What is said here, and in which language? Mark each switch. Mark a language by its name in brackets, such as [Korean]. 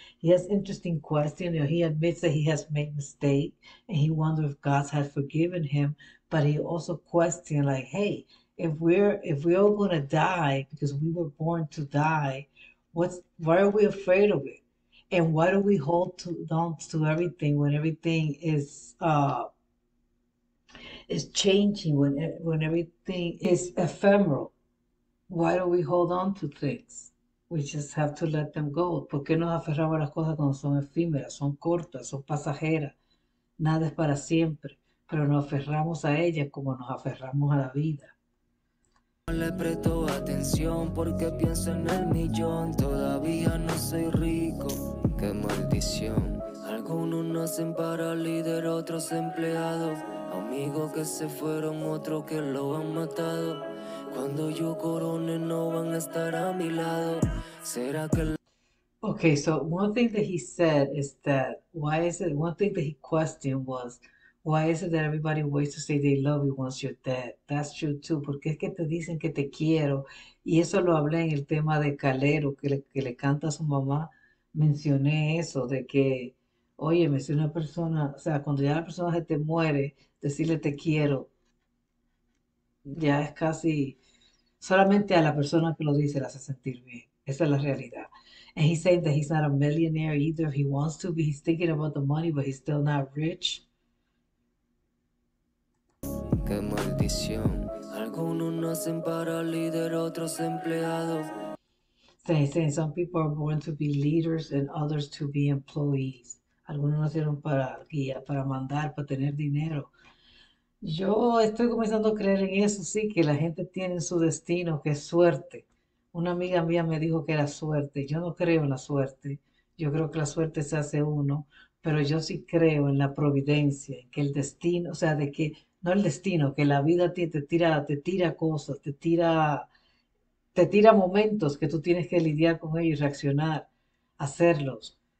[English] He has interesting questions. You know, he admits that he has made mistakes, and he wonders if God has forgiven him, but he also questions, like, hey, if we're all going to die because we were born to die, why are we afraid of it? And why do we hold on to everything when everything is changing, when everything is ephemeral? Why do we hold on to things? We just have to let them go. [Spanish] ¿Por qué nos aferramos a las cosas cuando son efímeras, son cortas, son pasajeras? Nada es para siempre, pero nos aferramos a ellas como nos aferramos a la vida. le presto atención porque pienso en el millón. Todavía no soy rico. Qué maldición. Algunos nacen para líder, otros empleados. Amigos que se fueron, otros que lo han matado. Cuando yo corone, no van a estar a mi lado. Será que el... [English] Okay, so one thing that he said is that why is it, one thing that he questioned was, why is it that everybody waits to say they love you once you're dead? That's true too, [Spanish] porque es que te dicen que te quiero. Y eso lo hablé en el tema de Calero, que le canta a su mamá. Mencioné eso, de que, oye, me si una persona, o sea, cuando ya la persona se te muere, decirle te quiero, ya es casi, solamente a la persona que lo dice la hace sentir bien. Esa es la realidad. [English] And he's saying that he's not a millionaire either. If he wants to be, he's thinking about the money, but he's still not rich. [Spanish] Qué maldición. Algunos nacen para líder, otros empleados. [English] So he's saying some people are born to be leaders and others to be employees. [Spanish] Algunos nacieron para guía, para mandar, para tener dinero. Yo estoy comenzando a creer en eso, sí, que la gente tiene su destino, que es suerte. Una amiga mía me dijo que era suerte. Yo no creo en la suerte. Yo creo que la suerte se hace uno, pero yo sí creo en la providencia, que el destino, o sea, de que no el destino, que la vida te tira cosas, te tira momentos que tú tienes que lidiar con ellos y reaccionar, hacerlos.